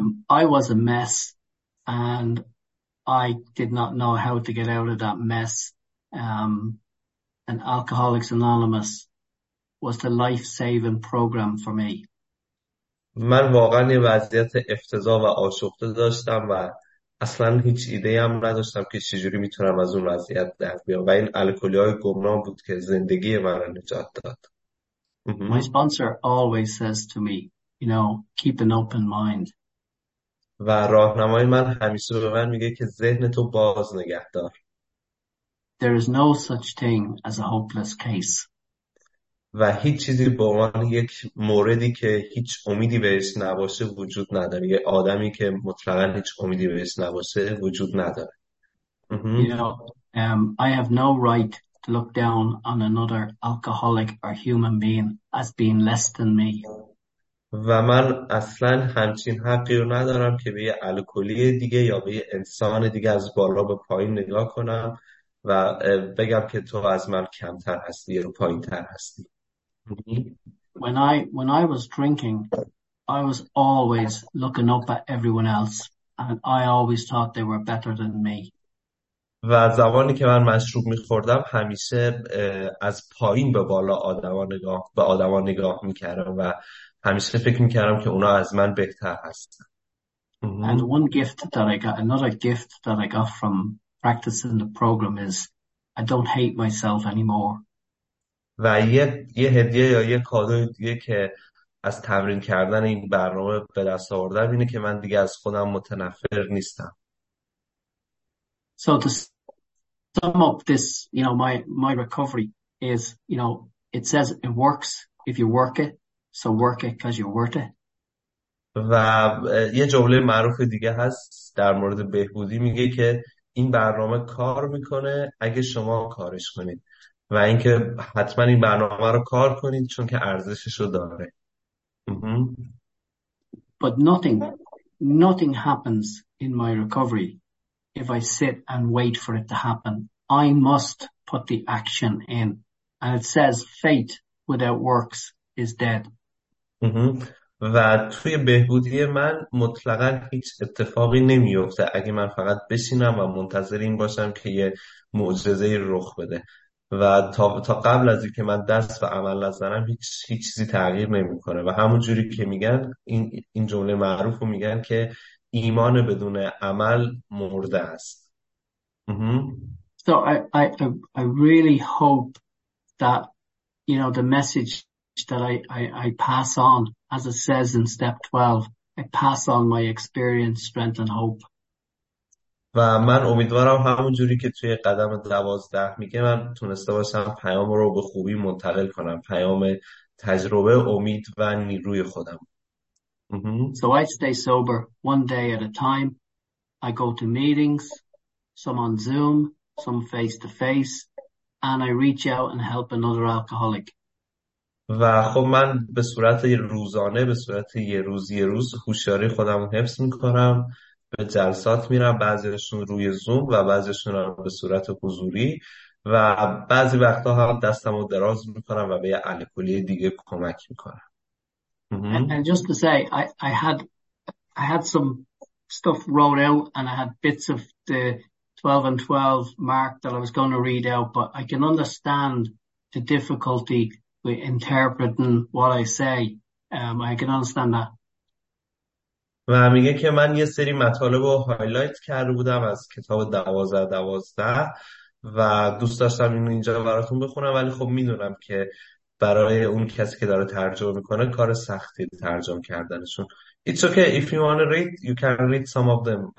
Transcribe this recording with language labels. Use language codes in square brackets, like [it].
[en] I was a mess and I did not know how to get out of that mess. And Alcoholics Anonymous was the life-saving program for me. [fa] من واقعا یه وضعیت افتضاح و آشفته داشتم و اصلا هیچ ایده هم نداشتم که چجوری میتونم از اون وضعیت در بیام و این الکلی های گمنام بود که زندگی من را نجات داد. [en] My sponsor always says to me, you know, keep an open mind. [fa] و راهنمای من همیشه به من میگه که ذهن تو باز نگه دار. [en] There is no such thing as a hopeless case. [fa] و هیچ چیزی به عنوان یک موردی که هیچ امیدی بهش نباشه وجود نداره. یه آدمی که مطلقاً هیچ امیدی بهش نباشه وجود نداره. [en] You know, I have no right to look down on another alcoholic or human being as being less than me. [fa] و من اصلا همچین حقی رو ندارم که به یه الکلی دیگه یا به یه انسان دیگه از بالا به پایین نگاه کنم و بگم که تو از من کمتر هستی یا پایین تر هستی. [en] When I was drinking, I was always looking up at everyone else, and I always thought they were better than me. [fa] و زمانی که من مشروب می‌خوردم همیشه از پایین به بالا آدما نگاه می‌کردم و همیشه فکر می‌کردم که اونا از من بهتر هستن. [en] And one gift that I got, another gift that I got from practicing the program is, I don't hate myself anymore. [fa] و یه هدیه یا یه کادو دیگه که از تمرین کردن این برنامه به دست آوردم اینه که من دیگه از خودم متنفر نیستم. [en] So to sum up this, you know, my recovery is, you know, it says it works if you work it, so work it because you're worth it. [fa] و یه جمله معروف دیگه هست در مورد بهبودی، میگه که این برنامه کار میکنه اگه شما کارش کنید و اینکه حتما این برنامه رو کار کنید چون که ارزشش رو داره. [en] But nothing happens in my recovery if I sit and wait for it to happen. I must put the action in. And it says faith without works is dead. [fa] و توی بهبودی من مطلقا هیچ اتفاقی نمیفته اگه من فقط بشینم و منتظر این باشم که یه معجزه رخ بده و تا قبل از اینکه من دست و عمل نزنم هیچ چیزی تغییر نمیکنه. و همون جوری که میگن این جمله معروف رو میگن که ایمان بدون عمل مرده است. [en] So I really hope that, you know, the message that I pass on, as it says in step 12, I pass on my experience, strength and hope. [fa] و من امیدوارم همون جوری که توی قدم 12 میگه من تونسته باشم پیام رو به خوبی منتقل کنم، پیام تجربه، امید و نیروی خودم. [en] So I stay sober one day at a time. I go to meetings, some on Zoom, some face to face, and I reach out and help another alcoholic. [fa] و خب من به صورت روزانه، به صورت یه روز یه روز هوشیاری خودم رو حفظ میکنم، به جلسات میرم، بعضیشون روی زوم و بعضیشون هم به صورت حضوری و بعضی وقتا هم دستم رو دراز میکنم و به یه الکلی دیگه کمک میکنم. [en] And just to say, I had some stuff wrote out and I had bits of the 12 and 12 mark that I was going to read out, but I can understand the difficulty with interpreting what I say. I can understand that. [fa] و میگه که من یه سری مطالب رو هایلایت کرده بودم از کتاب 12-12 و دوست داشتم اینو اینجا براتون بخونم، ولی خب میدونم که برای اون کسی که داره ترجمه میکنه کار سختی ترجمه کردنشون. [en] It's okay if you want to read, you can read some of them.